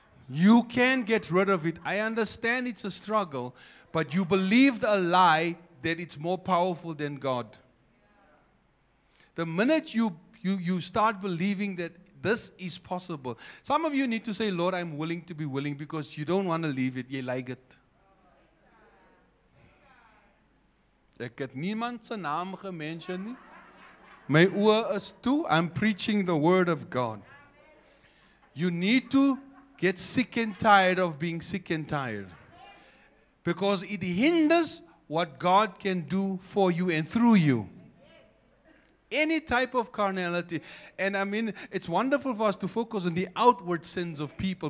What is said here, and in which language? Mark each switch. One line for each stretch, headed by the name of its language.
English: You can't get rid of it. I understand it's a struggle, but you believed a lie that it's more powerful than God. The minute you start believing that this is possible. Some of you need to say, "Lord, I'm willing to be willing," because you don't want to leave it. You like it.
Afrikaans: Ek het niemand se naam gemention nie. My oor is toe.
English: I'm preaching the word of God. You need to get sick and tired of being sick and tired. Because it hinders what God can do for you and through you. Any type of carnality. And I mean, it's wonderful for us to focus on the outward sins of people.